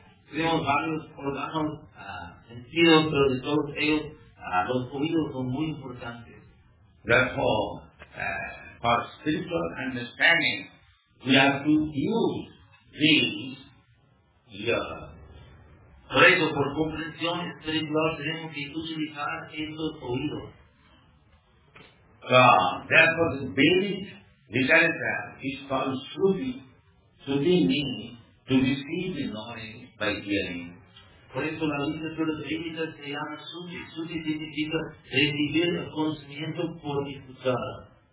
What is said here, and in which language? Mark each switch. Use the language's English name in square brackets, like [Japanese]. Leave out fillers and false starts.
[Spanish] Tenemos varios órganos sentidos, pero de todos ellos, los oídos son muy importantes. [English] Therefore, for spiritual understanding, we have to use these ears. [Spanish] Por eso, por comprensión espiritual, tenemos que utilizar estos oídos. [English] Therefore, the basic Vicharita is called Shruti. Shruti means to receive the knowledge by hearing. [Spanish] Por eso la lista de los Vedas se llama Shruti. Shruti significa recibir el conocimiento por escuchar.